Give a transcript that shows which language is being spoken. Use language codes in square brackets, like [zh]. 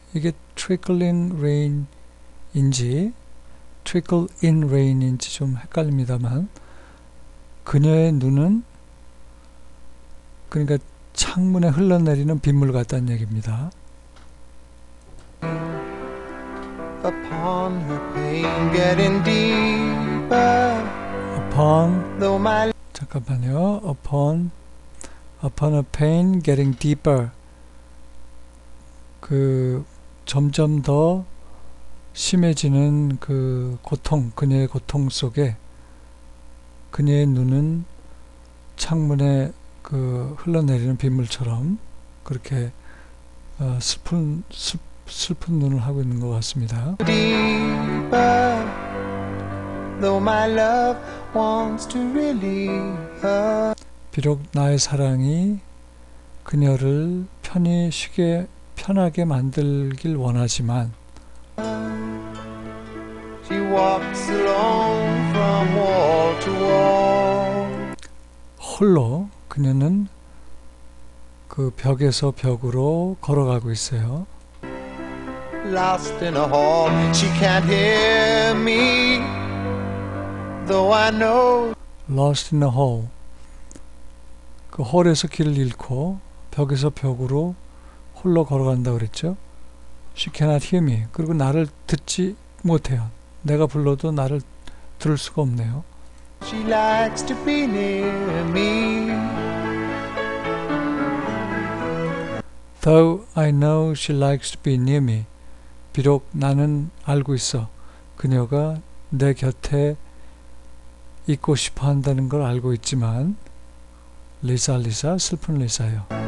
[ko] 이게 [en] trickling rain [ko] 인지 [en] trickle in rain [ko] 인지 좀 헷갈립니다만 그녀의 눈은 그러니까 창문에 흘러내리는 빗물 같다는 얘기입니다. [en] Upon her pain getting deeper. Upon, though my [ko] 잠깐만요. [en] Upon her pain getting deeper. [ko] 그 점점 더 심해지는 그 고통, 그녀의 고통 속에 그녀의 눈은 창문에 그 흘러내리는 빗물처럼 그렇게 슬픈 눈을 하고 있는 것 같습니다. [en] Deeper, though my love wants to relieve her. [ko] 비록 나의 사랑이 그녀를 편히 쉬게 편하게 만들길 원하지만 [en] She walks alone from wall to wall. [ko] 홀로 그녀는 그 벽에서 벽으로 걸어가고 있어요. [en] Lost in a hall, she can't hear me. Though I know. Lost in a hall. [ko] 그 홀에서 길을 잃고 벽에서 벽으로 홀로 걸어간다 그랬죠. [en] She cannot hear me. [ko] 그리고 나를 듣지 못해요. 내가 불러도 나를 들을 수가 없네요. [en] She likes to be near me. Though I know she likes to be near me. [ko] 비록 나는 알고 있어. 그녀가 내 곁에 있고 싶어 한다는 걸 알고 있지만 리사 리사 슬픈 리사요.